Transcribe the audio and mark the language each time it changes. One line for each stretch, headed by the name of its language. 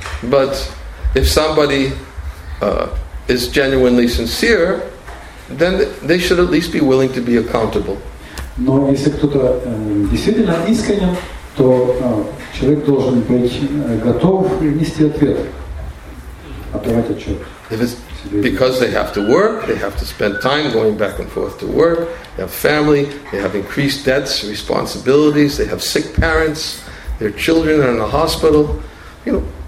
English: But if somebody is genuinely sincere, then they should at least be willing to be accountable.
Russian: Но если кто-то действительно искренен, то человек должен быть готов нести ответ, отдавать отчет.
English: If it's because they have to work, they have to spend time going back and forth to work, they have family, they have increased debts, responsibilities, they have sick parents, their children are in the hospital, you know.